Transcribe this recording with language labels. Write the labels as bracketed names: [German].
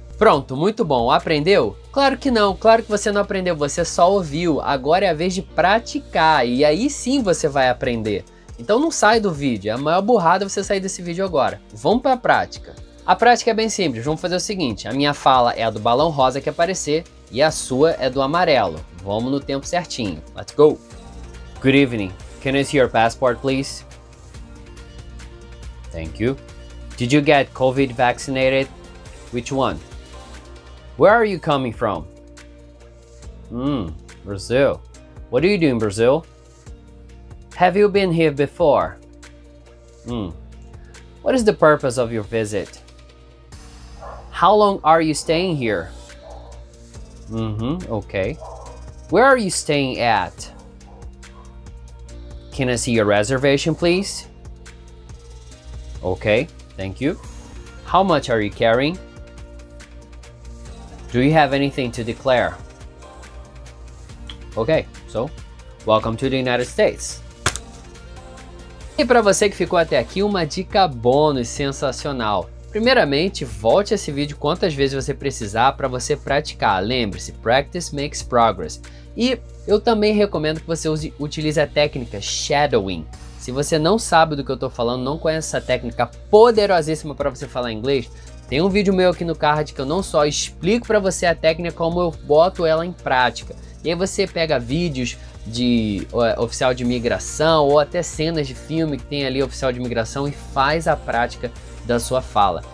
[Portuguese] Pronto, muito bom, aprendeu? Claro que não, claro que você não aprendeu, você só ouviu, agora é a vez de praticar e aí sim você vai aprender. Então não sai do vídeo, é a maior burrada você sair desse vídeo agora. Vamos para a prática. A prática é bem simples, vamos fazer o seguinte, a minha fala é a do balão rosa que aparecer e a sua é do amarelo. Vamos no tempo certinho. [English] Let's go! Good evening. Can I see your passport, please? Thank you. Did you get COVID vaccinated? Which one? Where are you coming from? Brazil. What do you do in Brazil? Have you been here before? What is the purpose of your visit? How long are you staying here? Okay. Where are you staying at? Can I see your reservation, please? Okay, thank you. How much are you carrying? Do you have anything to declare? Okay, so, welcome to the United States. [Portuguese] E para você que ficou até aqui, uma dica bônus sensacional. Primeiramente, volte esse vídeo quantas vezes você precisar para você praticar. Lembre-se, practice makes progress. E eu também recomendo que você utilize a técnica shadowing. Se você não sabe do que eu estou falando, não conhece essa técnica poderosíssima para você falar inglês, tem um vídeo meu aqui no card que eu não só explico para você a técnica, como eu boto ela em prática. E aí você pega vídeos de oficial de imigração ou até cenas de filme que tem ali oficial de imigração e faz a prática da sua fala.